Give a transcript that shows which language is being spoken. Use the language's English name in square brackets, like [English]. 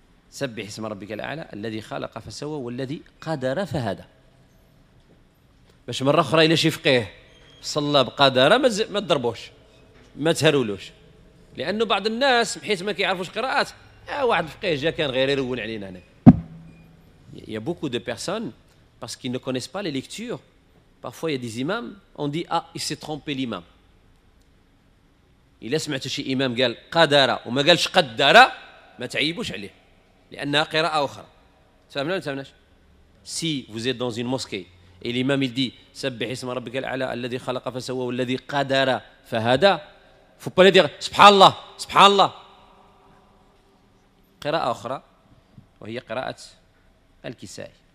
[Arabic] سبح اسم ربك الأعلى الذي خلق فسوى والذي قدر فهدى. باش مرة أخرى إلا شي فقيه صلى بقدر ما تضربوش ما تهرولوش، لأنه بعض الناس بحيث ما كيعرفوش قراءات واحد فقيه جا كان غير يرون علينا هنا. [French] Il y a beaucoup de personnes parce qu'ils ne connaissent pas les lectures. Parfois, il y a des imams, on dit ah, il s'est trompé l'imam. Il a entendu chez imam [Arabic] قال قدر وما قالش قدر ما تعيبوش عليه لانها قراءه اخرى. فهمنا ولا ما فهمناش؟ [French] Si vous êtes dans une mosquée et l'imam il dit [Arabic] سبح اسم ربك الاعلى الذي خلق فسوى والذي قدر فهذا، [French] faut pas dire [Arabic] سبحان الله سبحان الله، قراءه اخرى وهي قراءه الكسائي.